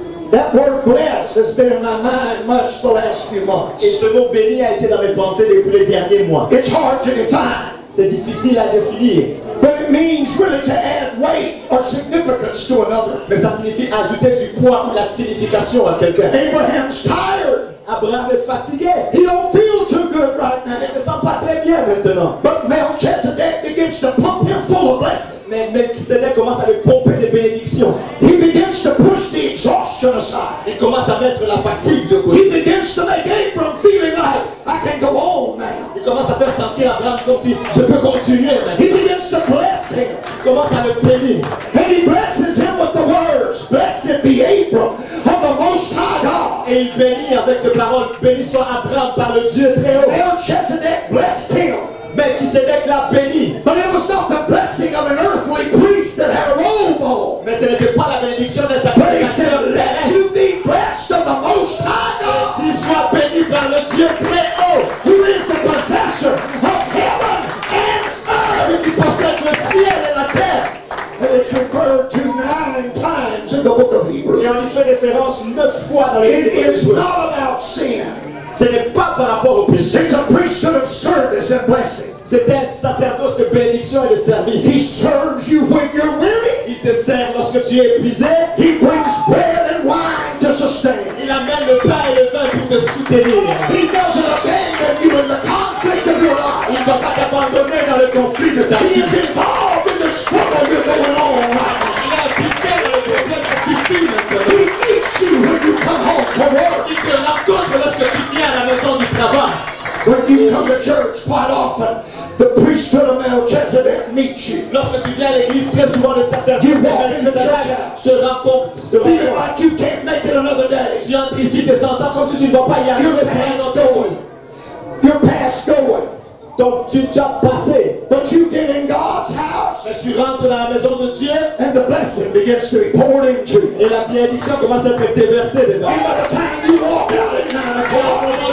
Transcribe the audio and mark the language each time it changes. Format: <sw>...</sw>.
<en>Has been in my mind much the last few months.</en> <fr>Et ce mot béni a été dans mes pensées depuis les derniers mois.</fr> <en>It's hard to define.</en> <fr>C'est difficile à définir.</fr> <en>But it means really to add weight or significance to another.</en> <fr>Mais ça signifie ajouter du poids ou la signification à quelqu'un.</fr> <en>Abraham's tired.</en> <fr>Abraham est fatigué.</fr> <en>He don't feel too good right now.</en> <fr>Il se sent pas très bien maintenant.</fr> <en>But Melchizedek begins to pump him full of blessings.</en> <fr>Mais Melchizedek commence à le pomper de bénédictions.</fr> <en>He begins to push the exhaustion aside.</en> <fr>Il commence à mettre la fatigue de côté.</fr> <en>He begins to make Abram feeling like I can go on now.</en> <fr>Il commence à faire sentir Abraham comme si je peux continuer maintenant.</fr> <en>He begins to bless him.</en> <fr>Il commence à le bénir.</fr> <en>And he blesses him with the words, "Blessed be Abram of the Most High God."</en> <fr>Et il bénit avec ses paroles, béni soit Abraham par le Dieu très haut.</fr> <en>Melchizedek blessed him.</en> <fr>Melchizedek l'a béni.</fr> <en>But it was not the blessing of an earthly priest that had a robe on.</en> <fr>Mais ce n'était pas la bénédiction de sa</fr> <en>But he said, "Let you be blessed of the Most High God."</en> <fr>Il soit béni par le Dieu très haut.</fr> <en>Who is the possessor of heaven and earth?</en> <fr>Et qui possède le ciel et la terre.</fr> <en>And it's referred to 9 times in the book of Hebrews.</en> <fr>Et on y fait référence 9 fois dans les</fr> <en>Hébreux. It is not about sin.</en> <fr>Ce n'est pas par rapport au péché.</fr> <en>It's a priesthood of service and blessing.</en> <fr>C'est un sacerdoce de bénédiction et de service.</fr> <en>He serves you when you're weary.</en> <fr>Il te sert lorsque tu es épuisé.</fr> <en>He brings bread and wine to sustain.</en> <fr>Il amène le pain et le vin pour te soutenir.</fr> <en>He doesn't abandon you in the conflict of your life.</en> <fr>Il ne va pas t'abandonner dans le conflit de ta vie.</fr> <en>He is involved in the struggle you're going on right now.</en> <fr>Il est impliqué dans le problème que tu vis maintenant.</fr> <en>He meets you when you come home from work.</en> <fr>Il te rencontre lorsque tu viens à la maison du travail.</fr> <en>When you come to church quite often, the priesthood of Melchizedek meets you.</en> <fr>Lorsque tu viens à l'église très souvent, le sacerdoce</fr> <en>you walk in the church house.</en> <fr>Se rencontre</fr> <en>feeling like you can't make it another day.</en> <fr>Tu entres ici, te sentant comme si tu ne vas pas y arriver.</fr> <en>You're past going. You're past going.</en> <fr>Donc tu as passé.</fr> <en>But you get in God's house.</en> <fr>Mais tu rentres dans la maison de Dieu.</fr> <en>And the blessing begins to be poured into you.</en> <fr>Et la bénédiction commence à être déversée dedans.</fr> <en>And by the time you walk out at 9 o'clock.</en>